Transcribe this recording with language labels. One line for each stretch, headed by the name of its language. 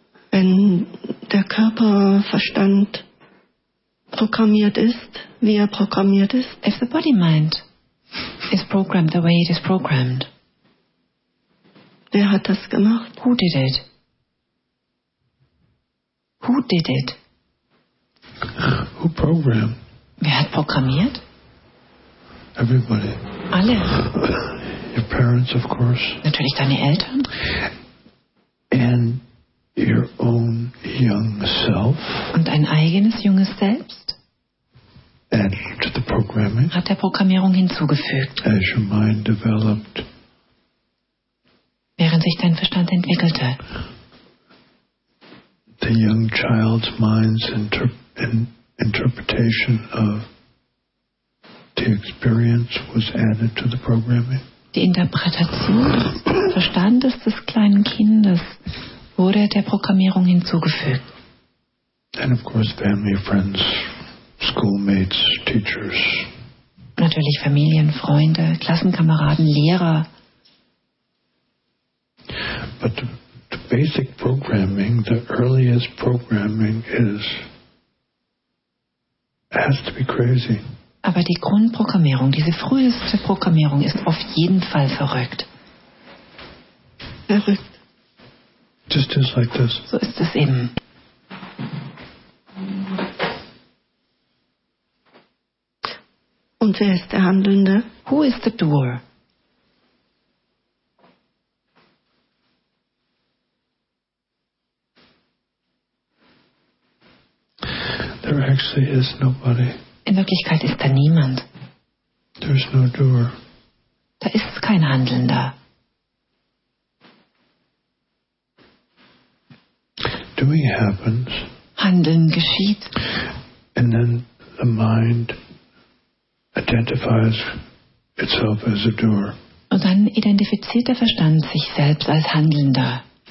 German: Wenn der Körperverstand programmiert ist, wie programmiert ist.
English: If the body mind is programmed the way it is programmed.
German: Wer hat das gemacht?
English: Who did it? Who did it? Who programmed?
German: Wer hat programmiert?
English: Everybody.
German: Alle.
English: Your parents, of course.
German: Natürlich deine Eltern.
English: And your own young self.
German: Und dein eigenes junges Selbst.
English: And to the programming.
German: Hat der Programmierung hinzugefügt.
English: As your mind developed.
German: Während sich dein Verstand entwickelte.
English: The young child's mind's interpretation of the experience was added to the programming.
German: Die Interpretation des Verstandes des kleinen Kindes wurde der Programmierung hinzugefügt.
English: And of course family, friends, schoolmates, teachers.
German: Natürlich Familien, Freunde, Klassenkameraden, Lehrer.
English: But the basic programming, the earliest programming is has to be crazy.
German: Aber die Grundprogrammierung, diese früheste Programmierung ist auf jeden Fall verrückt. Verrückt.
English: Just like this.
German: So ist es eben. Und wer ist der Handelnde?
English: Who is the doer? There actually is nobody.
German: In Wirklichkeit ist da niemand.
English: There's no doer.
German: Da ist kein Handelnder.
English: Doing happens.
German: Handeln geschieht.
English: And then the mind identifies itself as a doer.
German: Und dann identifiziert der Verstand sich selbst als Handelnder.